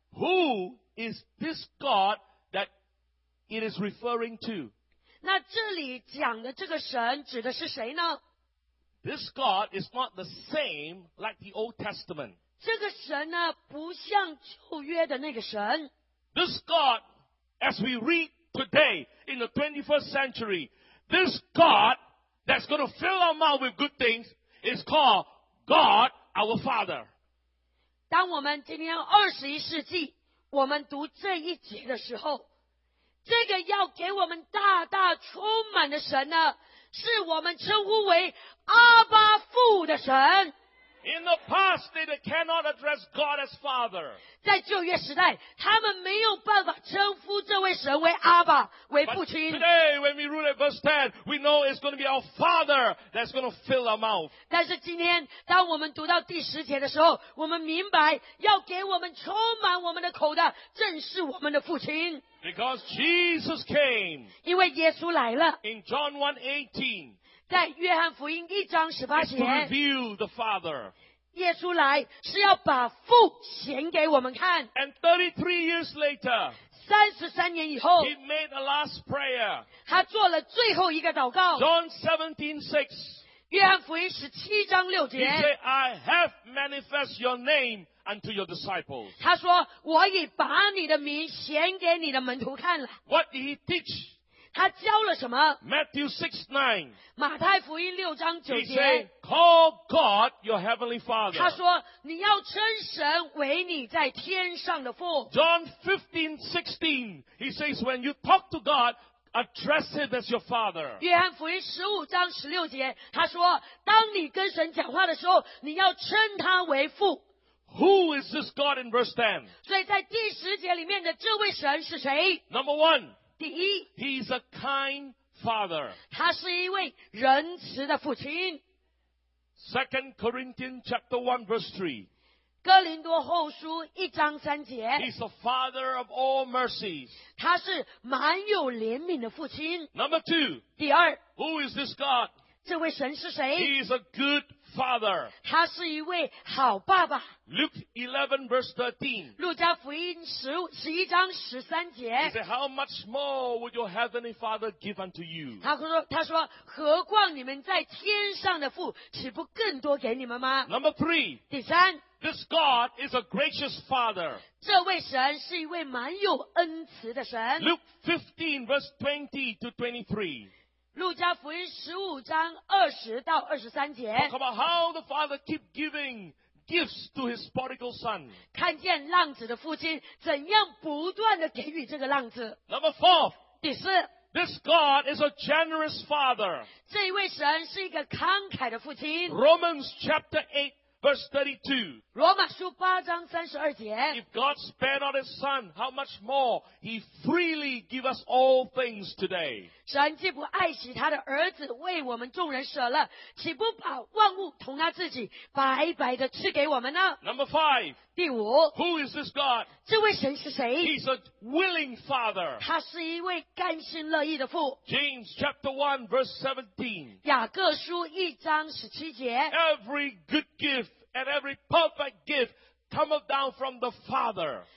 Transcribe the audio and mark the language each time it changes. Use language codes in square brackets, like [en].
[en] Who is this God that it is referring to? [zh] 那这里讲的这个神指的是谁呢？ [en] This God is not the same like the Old Testament. [zh] 这个神呢，不像旧约的那个神。 [en] This God, as we read today in the 21st century, this God that's going to fill our mouth with good things is called God our Father. [zh] 当我们今天21世纪，我们读这一节的时候，这个要给我们大大充满的神呢，是我们称呼为阿巴父的神。 [en] In the past, they cannot address God as Father. [zh] 在旧约时代，他们没有办法称呼这位神为阿爸，为父亲。 [en] But today, when we read verse 10, we know it's going to be our Father that's going to fill our mouth. [zh] 但是今天，当我们读到第十节的时候，我们明白，要给我们充满我们的口的，正是我们的父亲。 [en] Because Jesus came. [zh] 因为耶稣来了。 [en] In John 1:18. [zh] 在约翰福音一章十八节 [en] to reveal the Father. [zh] 耶稣来是要把父显给我们看 [en] and 33 years later [zh] 33年以后 [en] he made a last prayer [zh] 他做了最后一个祷告 [en] John 17:6 [zh] 约翰福音十七章六节 [en] he said I have manifest your name unto your disciples [zh] 他说我已把你的名显给你的门徒看了 [en] what did he teach? [zh] 他教了什么 [en] Matthew 6:9 [zh] 马太福音六章九节 [en] He said, call God your heavenly father [zh] 他说你要称神为你在天上的父 [en] John 15:16 He says when you talk to God address him as your father [zh] 约翰福音十五章十六节他说当你跟神讲话的时候你要称他为父 [en] Who is this God in verse 10 [zh] 所以在第十节里面的这位神是谁 [en] Number one [zh] 第一 [en] He's a kind father. [zh] 他是一位仁慈的父亲。 [en] 2 Corinthians chapter 1 verse 3. [zh] 哥林多后书一章三节。 [en] He's the father of all mercies. [zh] 他是满有怜悯的父亲。 [en] Number 2. [zh] 第二 [en] Who is this God? [zh] 这位神是谁 [en] He's a good father. [zh] 他是一位好爸爸。 [en] Luke 11 verse 13. [zh] 路加福音十一章十三节。 [en] He said, How much more would your heavenly father give unto you? [zh] 他说何况你们在天上的父岂不更多给你们吗 [en] Number 3. [zh] 第三 [en] This God is a gracious father. [zh] 这位神是一位满有恩慈的神。 [en] Luke 15 verse 20 to 23. [zh] 路加福音十五章二十到二十三节 [en] Talk about how the father keep giving gifts to his prodigal son [zh] 看见浪子的父亲怎样不断地给予这个浪子 [en] Number four [zh] 第四 [en] This God is a generous father [zh] 这一位神是一个慷慨的父亲 [en] Romans chapter 8 verse 32 [zh] 罗马书八章三十二节 [en] If God spare not his son how much more he freely give us all things today [zh] 神既不爱惜他的儿子为我们众人舍了岂不把万物同他自己白白的赐给我们呢 [en] Number five, [zh] 第五 [en] Who is this God? [zh] 这位神是谁 [en] He's a willing father [zh] 他是一位甘心乐意的父 [en] James chapter 1 verse 17 [zh] 雅各书一章十七节 [en] Every good gift and every perfect gift come down from the Father